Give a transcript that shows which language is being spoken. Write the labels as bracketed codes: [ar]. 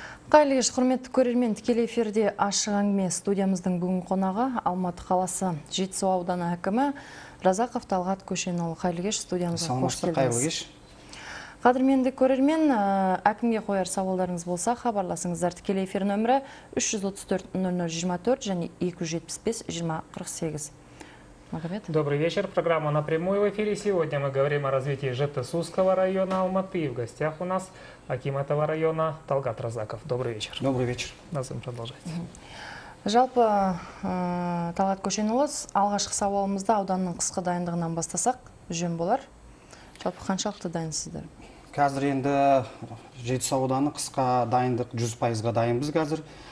[kk] Қайырлы құрметті көрермен, тікелей эфирде ашық әңгіме студиямыздың бүгін қонағы Алматы қаласы Жетісу ауданы әкімі Разақов Талғат Көшенұлы. Қайырлы кеш, студиямызға қош келдіңіз. Қайырлы кеш. Қадірменді көрермен, әкімге қояр сауалдарыңыз болса, хабарласыңыздар. Тікелей эфир нөмірі 334-0024 және 275-2048. Магомед. [ru] Добрый вечер. Программа напрямую в эфире. Сегодня мы говорим о развитии Жетысуского района Алматы. И в гостях у нас аким этого района Талгат Разаков. Добрый вечер. Добрый вечер. Назым, продолжайте. [kk] Жалпы, Талгат Көшенұлы, алғашқы сауалымызда ауданның қысқы дайындығынан бастасақ, жөн болар. Жалпы, қаншалықты дайынсыздар? Қазір енді Жетісу ауданы қысқа дайындық 100%-ға дайынбыз қазір.